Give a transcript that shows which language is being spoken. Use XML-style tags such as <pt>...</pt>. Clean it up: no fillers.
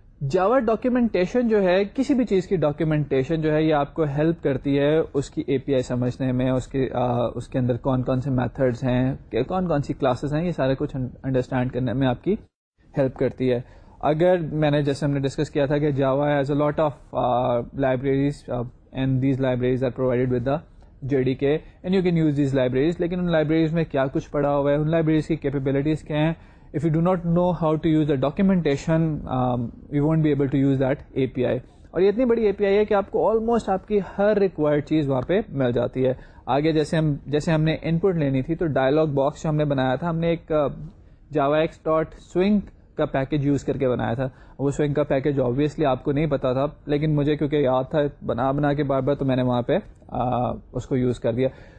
<ur>جاوا documentation جو ہے کسی بھی چیز کی ڈاکیومنٹیشن جو ہے یہ آپ کو ہیلپ کرتی ہے اس کی اے پی آئی سمجھنے میں, اس کے اندر کون کون سے میتھڈز ہیں, کون کون سی کلاسز ہیں, یہ سارے کچھ انڈرسٹینڈ کرنے میں آپ کی ہیلپ کرتی ہے. اگر میں نے جیسے ہم نے ڈسکس کیا تھا کہ</ur> <en>Java has a lot of libraries and these libraries are provided with the J D K and you can use these libraries,</en> <ur>لیکن ان لائبریریز میں کیا کچھ پڑھا ہوا ہے, ان لائبریریز کی کیپیبلٹیز کیا ہیں.</ur> <en>If you do not know how to use the documentation, you won't be able to use that API.</en> <ur>اور یہ اتنی بڑی API ہے کہ آپ کو آلموسٹ آپ کی ہر ریکوائرڈ چیز وہاں پہ مل جاتی ہے. آگے جیسے ہم نے ان پٹ لینی تھی تو ڈائلاگ باکس جو ہم نے بنایا تھا, ہم نے ایک جاوا ایکس ڈاٹ سوئنگ کا پیکیج یوز کر کے بنایا تھا. وہ سوئنگ کا پیکیج آبویسلی آپ کو نہیں پتا تھا, لیکن مجھے کیونکہ یاد تھا بنا کے بار بار تو میں نے وہاں پہ اس کو یوز کر دیا.</ur>